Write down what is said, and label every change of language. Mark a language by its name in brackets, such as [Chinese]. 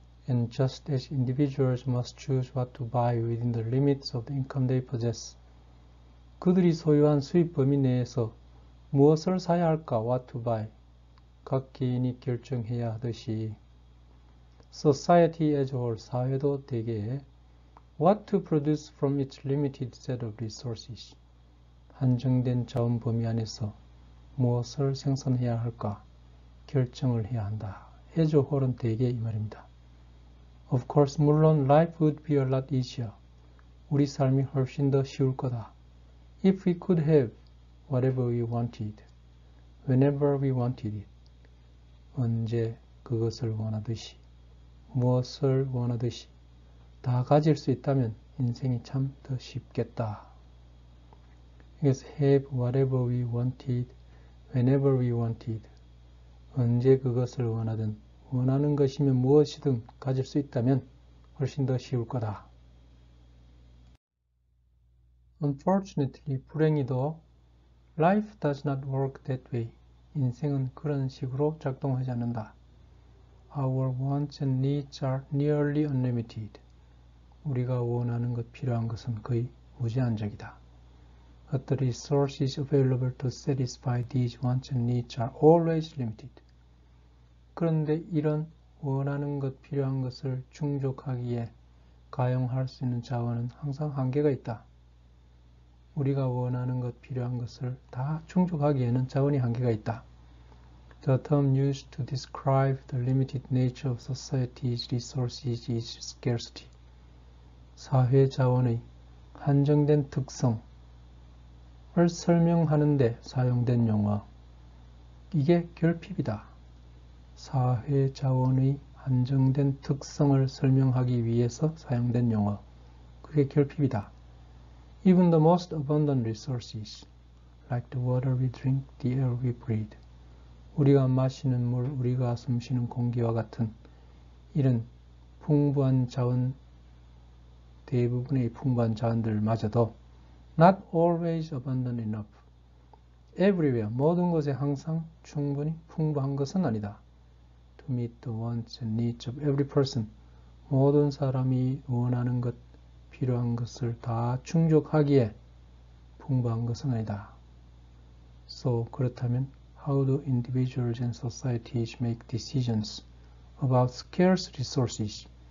[English] And just as individuals must choose what to buy within the limits of the income they possess, [Korean] 그들이 소유한 수입 범위 내에서 무엇을 사야 할까, [English] what to buy, [Korean] 각 개인이 결정해야 하듯이, [English] society as a whole, [Korean] 사회도 대개, [English] what to produce from its limited set of resources, [Korean] 한정된 자원 범위 안에서 무엇을 생산해야 할까 결정을 해야 한다. 해저 홀은 대개 이 말입니다. [English] Of course, [Korean] 물론 [English] life would be a lot easier. [Korean] 우리 삶이 훨씬 더 쉬울 거다. [English] If we could have whatever we wanted, whenever we wanted it. [Korean] 언제 그것을 원하듯이, 무엇을 원하듯이 다 가질 수 있다면 인생이 참더 쉽겠다. 그래서 [English] have whatever we wanted, whenever we wanted. [Korean] 언제 그것을 원하든, 원하는 것이면 무엇이든 가질 수 있다면 훨씬 더 쉬울 거다. [English] Unfortunately, [Korean] 불행히도, [English] life does not work that way. [Korean] 인생은 그런 식으로 작동하지 않는다. [English] Our wants and needs are nearly unlimited. [Korean] 우리가 원하는 것, 필요한 것은 거의 무제한적이다. [English] But the resources available to satisfy these wants and needs are always limited. [Korean] 그런데 이런 원하는 것, 필요한 것을 충족하기에 가용할 수 있는 자원은 항상 한계가 있다. 우리가 원하는 것, 필요한 것을 다 충족하기에는 자원이 한계가 있다. [English] The term used to describe the limited nature of society's resources is scarcity. [Korean] 사회 자원의 한정된 특성. 을 설명하는 데 사용된 용어. 이게 결핍이다. 사회 자원의 한정된 특성을 설명하기 위해서 사용된 용어. 그게 결핍이다. [English] Even the most abundant resources, like the water we drink, the air we breathe, [Korean] 우리가 마시는 물, 우리가 숨 쉬는 공기와 같은 이런 풍부한 자원, 대부분의 풍부한 자원들마저도 [English] Not always abundant enough. Everywhere, [Korean] 모든 곳에 항상 충분히 풍부한 것은 아니다. [English] To meet the wants and needs of every person. [Korean] 모든 사람이 원하는 것, 필요한 것을 다 충족하기에 풍부한 것은 아니다. [English] So, [Korean] 그렇다면, [English] how do individuals and societies make decisions about scarce resources?